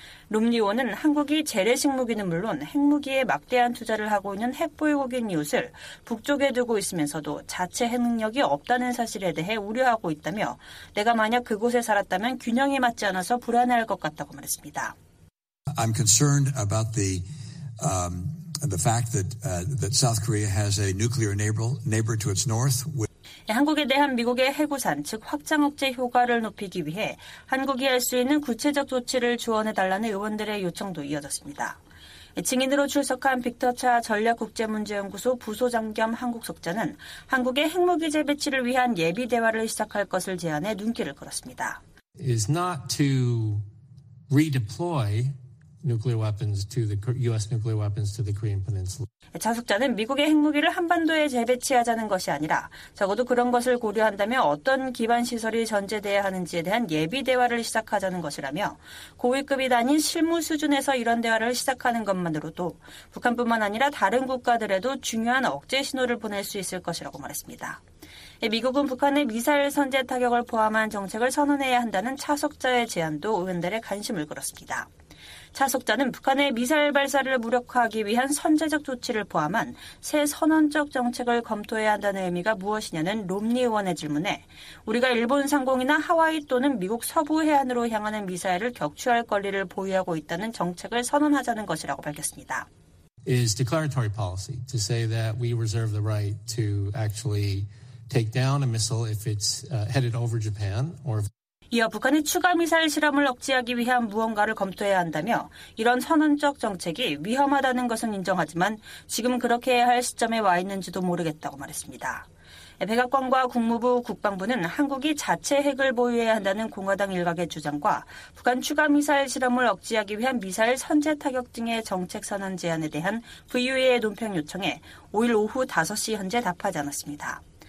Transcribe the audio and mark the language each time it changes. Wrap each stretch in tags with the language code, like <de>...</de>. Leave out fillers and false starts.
<ko>롬니 의원은 한국이 재래식 무기는 물론 핵무기에 막대한 투자를 하고 있는 핵보유국인 이웃을 북쪽에 두고 있으면서도 자체 핵 능력이 없다는 사실에 대해 우려하고 있다며 내가 만약 그곳에 살았다면 균형이 맞지 않아서 불안할 것 같다고 말했습니다.</ko> <en>I'm concerned about the fact that that South Korea has a nuclear neighbor to its north.</en> <ko>한국에 대한 미국의 핵우산, 즉 확장 억제 효과를 높이기 위해 한국이 할 수 있는 구체적 조치를 조언해달라는 의원들의 요청도 이어졌습니다. 증인으로 출석한 빅터 차 전략국제문제연구소 부소장 겸 한국석자는 한국의 핵무기 재배치를 위한 예비 대화를 시작할 것을 제안해 눈길을 끌었습니다.</ko> <en>Is not to redeploy nuclear weapons to the U.S. nuclear weapons to the Korean Peninsula.</en> <ko>자숙자는 미국의 핵무기를 한반도에 재배치하자는 것이 아니라 적어도 그런 것을 고려한다면 어떤 기반시설이 전제되어야 하는지에 대한 예비 대화를 시작하자는 것이라며 고위급이 아닌 실무 수준에서 이런 대화를 시작하는 것만으로도 북한뿐만 아니라 다른 국가들에도 중요한 억제 신호를 보낼 수 있을 것이라고 말했습니다. 미국은 북한의 미사일 선제 타격을 포함한 정책을 선언해야 한다는 차석자의 제안도 의원들의 관심을 끌었습니다. 차석자는 북한의 미사일 발사를 무력화하기 위한 선제적 조치를 포함한 새 선언적 정책을 검토해야 한다는 의미가 무엇이냐는 롬니 의원의 질문에 우리가 일본 상공이나 하와이 또는 미국 서부 해안으로 향하는 미사일을 격추할 권리를 보유하고 있다는 정책을 선언하자는 것이라고 밝혔습니다.</ko> <en>Is declaratory policy to say that we reserve the right to actually take down a missile if it's headed over Japan or</en> <ko>이어 북한이 추가 미사일 실험을 억제하기 위한 무언가를 검토해야 한다며 이런 선언적 정책이 위험하다는 것은 인정하지만 지금 그렇게 해야 할 시점에 와 있는지도 모르겠다고 말했습니다. 백악관과 국무부 국방부는 한국이 자체 핵을 보유해야 한다는 공화당 일각의 주장과 북한 추가 미사일 실험을 억제하기 위한 미사일 선제 타격 등의 정책 선언 제안에 대한 VUA의 논평 요청에 5일 오후 5시 현재 답하지 않았습니다.</ko>